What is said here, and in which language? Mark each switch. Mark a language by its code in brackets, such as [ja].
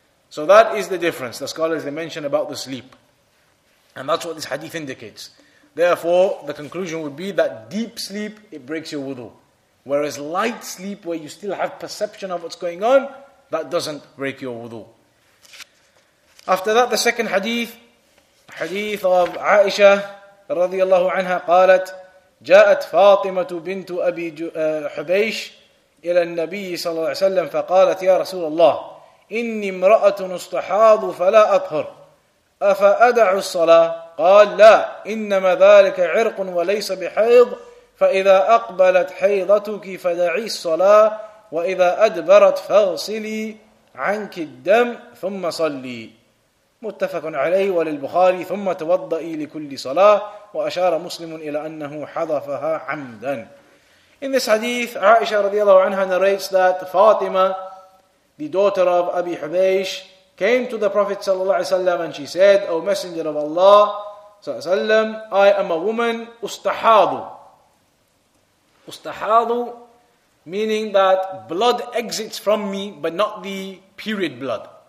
[en] So that is the difference, the scholars, they mention about the sleep. And that's what this hadith indicates. Therefore, the conclusion would be that deep sleep, it breaks your wudu. Whereas light sleep, where you still have perception of what's going on, that doesn't break your wudu. After that, the second hadith, hadith of Aisha radiallahu anha, qalat, [ar] جاءت فاطمة بنت أبي حبيش إلى النبي صلى الله عليه وسلم فقالت يا رسول الله إني امرأة استحاض فلا أطهر أفأدع الصلاة؟ قال لا, إنما ذلك عرق وليس بحيض, فإذا أقبلت حيضتك فدعي الصلاة, وإذا أدبرت فاغسلي عنك الدم ثم صلي. متفق عليه, وللبخاري ثم توضئي لكل صلاة, وأشار مسلم إلى أنه حذفها عمدا. [en] In this hadith, Aisha [ar] radiallahu anha [en] narrates that Fatima, the daughter of Abi Hubaysh, came to the Prophet [ar] sallallahu alaihi wasallam [en] and she said, O Messenger of Allah sallallahu alaihi wasallam, I am a woman ustahadu. Ustahadu meaning that blood exits from me, but not the period blood.